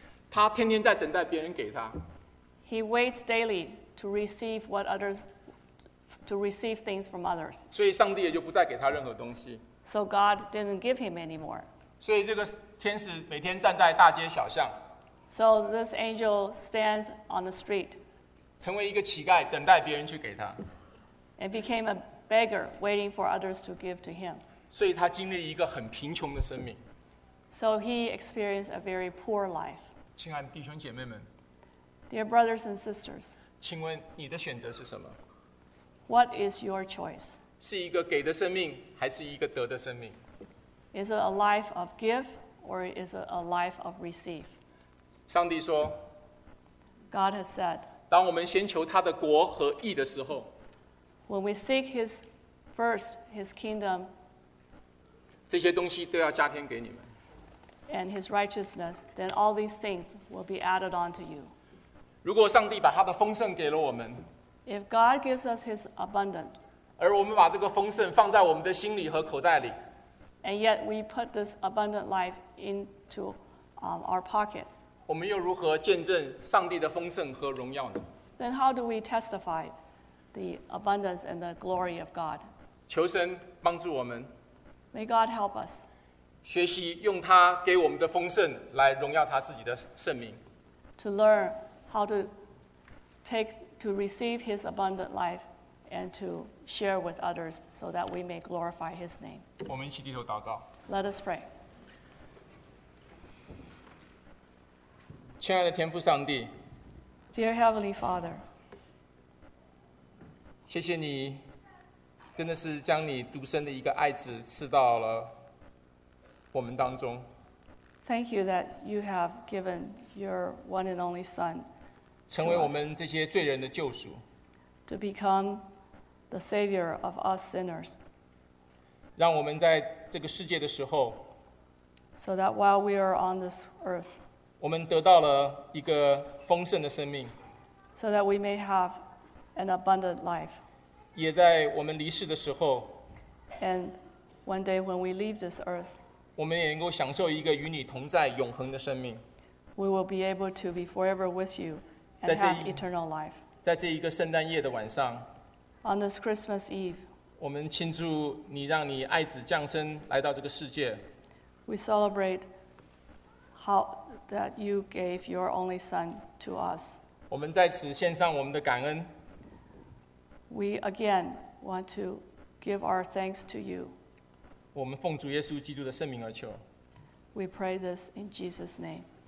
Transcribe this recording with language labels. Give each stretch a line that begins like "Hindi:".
Chinese: 他天天在等待别人给他。
English: He waits daily to receive what others give. To receive things from others.
Chinese: 所以上帝也就不再给他任何东西。
English: So God didn't give him anymore.
Chinese: 所以这个天使每天站在大街小巷。
English: So this angel stands on the street.
Chinese: 成为一个乞丐，等待别人去给他。
English: And became a beggar, waiting for others to give to him.
Chinese: 所以他经历一个很贫穷的生命。
English: So he experienced a very poor life.
Chinese: 亲爱的弟兄姐妹们。
English: Dear brothers and sisters.
Chinese: 请问你的选择是什么？
English: What is your choice?
Chinese: 是一个给的生命，还是一个得的生命？
English: Is it a life of give or is it a life of receive?
Chinese: 上帝说，
English: God has said,
Chinese: 当我们先求他的国和义的时候，
English: When we seek his first, his kingdom,
Chinese: 这些东西都要加添给你们。
English: And his righteousness, then all these things will be added on to you.
Chinese: 如果上帝把他的丰盛给了我们，
English: If God gives us His abundant,
Chinese: 而我们把这个丰盛放在我们的心里和口袋里，
English: and yet we put this abundant life into our pocket,
Chinese: 我们又如何见证上帝的丰盛和荣耀呢？
English: Then how do we testify the abundance and the glory of God?
Chinese: 求神帮助我们。
English: May God help us.
Chinese: 学习用他给我们的丰盛来荣耀他自己的圣名。
English: To learn how to take to receive his abundant life and to share with others so that we may glorify his name.
Chinese: 我们一起低头祷告。
English: Let us pray.
Chinese: 亲爱的天父上帝。
English: Dear Heavenly Father.
Chinese: 谢谢你真的是将你独生的一个爱子赐到了我们当中。
English: Thank you that you have given your one and only son
Chinese: 成为我们这些罪人的救赎。
English: To become the savior of us sinners.
Chinese: 让我们在这个世界的时候。
English: So that while we are on this earth.
Chinese: 我们得到了一个丰盛的生命。
English: So that we may have an abundant life.
Chinese: 也在我们离世的时候。
English: And one day when we leave this earth.
Chinese: 我们也能够享受一个与你同在永恒的生命。
English: We will be able to be forever with you. And have eternal life.
Chinese: 在这一个圣诞夜的晚上
English: On this Christmas Eve,
Chinese: 我们庆祝你让你爱子降生来到这个世界。
English: We celebrate how that you gave your only son to us.
Chinese: 我们在此献上我们的感恩。
English: We again want to give our thanks to you.
Chinese: 我们奉主耶稣基督的圣名而求。
English: We pray this in Jesus' name.